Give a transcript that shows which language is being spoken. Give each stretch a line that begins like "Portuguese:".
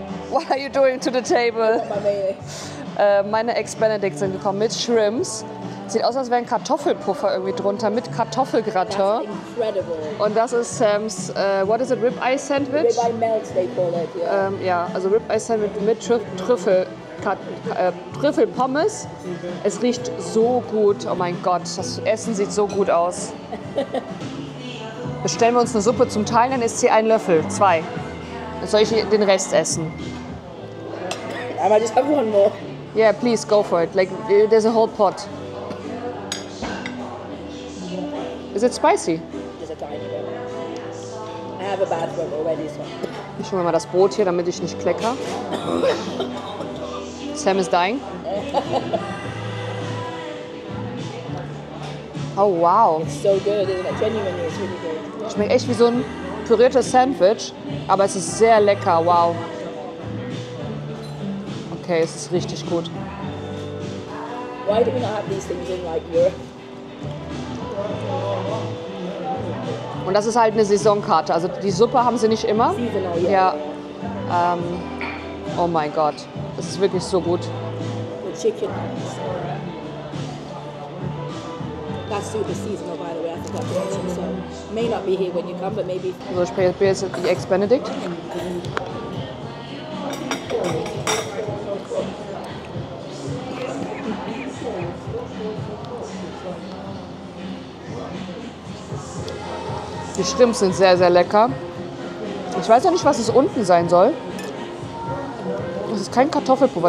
English: what are you doing to the table?
German: Meine Ex-Benedict sind gekommen mit Shrimps. Sieht aus, als wäre ein Kartoffelpuffer irgendwie drunter mit Kartoffelgratin.
English: That's incredible.
German: Und das ist Sam's,
English: what is it,
German: Rib-Eye-Sandwich?
English: Rib-Eye-Melt, they call it, yeah.
German: Ja, also Rib-Eye-Sandwich mit Trüffel. Trüffel Pommes. Es riecht so gut. Oh mein Gott, das Essen sieht so gut aus. Bestellen wir uns eine Suppe zum Teilen, dann isst sie einen Löffel, zwei. Soll ich den Rest essen?
English: I might just have one more. Yeah, please, go for it. Like, there's a whole pot. Is it spicy? Just a tiny bit. I have a bad one already, so.
German: Ich hole mal das Brot hier, damit ich nicht klecker.
English: Sam is dying. Oh, wow. It's so good, isn't it? Genuinely, it's really good.
German: Schmeckt echt wie so ein püriertes Sandwich, aber es ist sehr lecker, wow. Okay, es ist richtig gut.
English: Why do we not have these things in, like, Europe?
German: Und das ist halt eine Saisonkarte, also die Suppe haben sie nicht immer.
English: Seasonal, yeah.
German: Ja. Oh mein Gott, es ist wirklich so gut.
English: The chicken. That's super seasonal, by the way. I think that's awesome. So may not be here when you come, but maybe.
German: So ich spreche jetzt die Ex Benedict. Die Shrimps sind sehr, sehr lecker. Ich weiß ja nicht, was es unten sein soll. Das ist kein Kartoffelpuffer.